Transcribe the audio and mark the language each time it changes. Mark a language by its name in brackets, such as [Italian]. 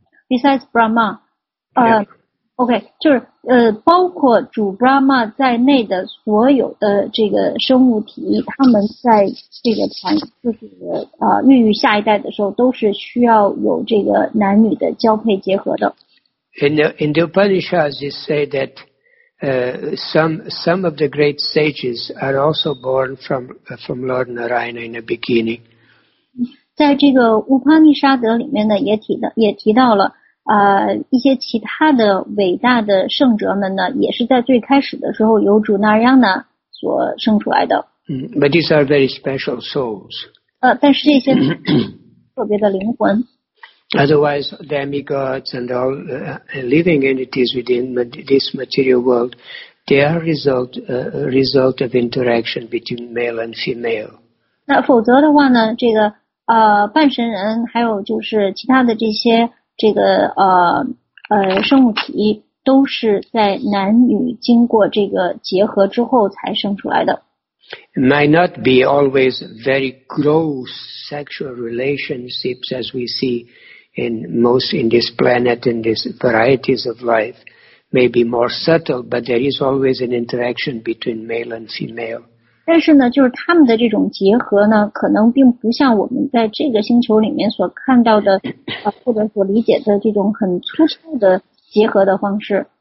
[English] Besides Brahma, okay, [Chinese] 就是包括主 Brahma 在内的所有的这个生物体，他们在这个产就是孕育下一代的时候，都是需要有这个男女的交配结合的。 [English] In the Upanishads, it say that. Some of the great sages are also born from Lord Narayana in the beginning. [Chinese] 在这个乌帕尼沙德里面呢，也提到了，一些其他的伟大的圣哲们呢，也是在最开始的时候由主 Narayana 所生出来的。 [English] But these are very special souls. [Chinese] 但是这些特别的灵魂。 [English] Otherwise, demigods and all living entities within this material world, they are result of interaction between male and female. [Chinese] 那否则的话呢，这个半神人还有就是其他的这些这个生物体都是在男女经过这个结合之后才生出来的。 [English] It might not be always very gross sexual relationships as we see in most in this planet and these varieties of life. Maybe more subtle, but there is always an interaction between male and female. [Chinese] 但是呢，就是他们的这种结合呢，可能并不像我们在这个星球里面所看到的，或者所理解的这种很粗糙的结合的方式。